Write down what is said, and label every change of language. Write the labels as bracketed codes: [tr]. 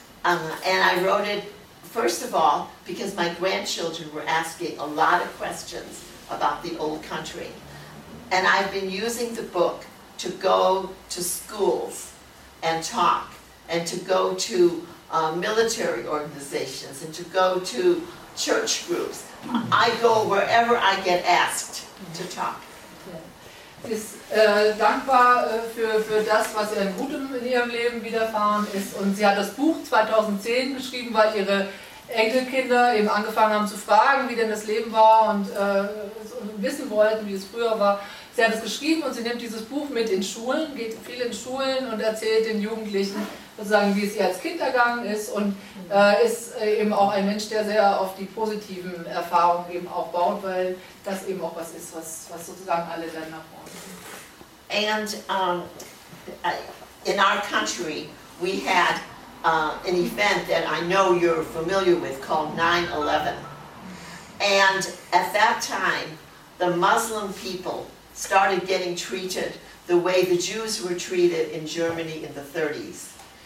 [en] And I wrote it, first of all, because my grandchildren were asking a lot of questions about the old country. And I've been using the book to go to schools and talk, and to go to military organizations, and to go to church groups. I go wherever I get asked to talk. [de] Sie ist dankbar für das, was ihr in gutem in ihrem Leben widerfahren ist. Und sie hat das Buch 2010 geschrieben, weil ihre Enkelkinder eben angefangen haben zu fragen, wie denn das Leben war und wissen wollten, wie es früher war. Sie hat es geschrieben und sie nimmt dieses Buch mit in Schulen, geht viel in Schulen und erzählt den Jugendlichen sozusagen, wie es ihr als Kind ergangen ist, und ist eben auch ein Mensch, der sehr auf die positiven Erfahrungen eben auch baut, weil das eben auch was ist, was sozusagen alle Länder brauchen. [en] And in our country we had an event that I know you're familiar with called 9/11. And at that time the Muslim people started getting treated the way the Jews were treated in Germany in the 30s.